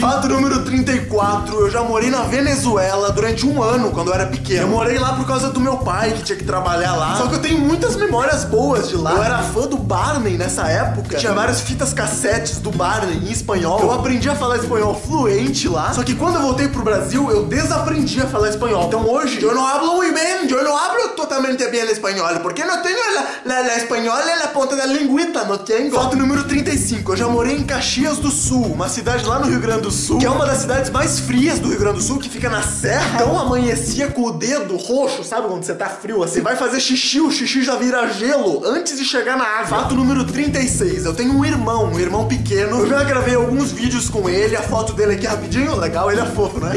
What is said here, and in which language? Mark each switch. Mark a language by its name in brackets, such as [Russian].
[Portuguese] Fato número 34, eu já morei na Venezuela durante um ano, quando eu era pequeno. Eu morei lá por causa do meu pai, que tinha que trabalhar lá. Só que eu tenho muitas memórias boas de lá. Eu era fã do Barney nessa época. Tinha várias fitas cassetes do Barney em espanhol. Eu aprendi a falar espanhol fluente lá. Só que quando eu voltei pro Brasil, eu desaprendi a falar espanhol. Então hoje, eu não [Spanish] hablo muy bien, yo no hablo totalmente bien español. Porque no tengo la española en la [Portuguese] ponta da lingüita, [Spanish] no tengo. [Portuguese] Foto número 35. Eu já morei em Caxias do Sul, uma cidade lá no Rio Grande do Sul, que é uma das cidades mais frias do Rio Grande do Sul, que fica na serra. Então amanhecia com o dedo roxo, sabe quando você tá frio assim? Vai fazer xixi, o xixi já vira gelo antes de chegar na água. Fato número 36. Eu tenho um irmão pequeno. Eu já gravei alguns vídeos com ele, a foto dele aqui rapidinho, legal, ele é fofo, né?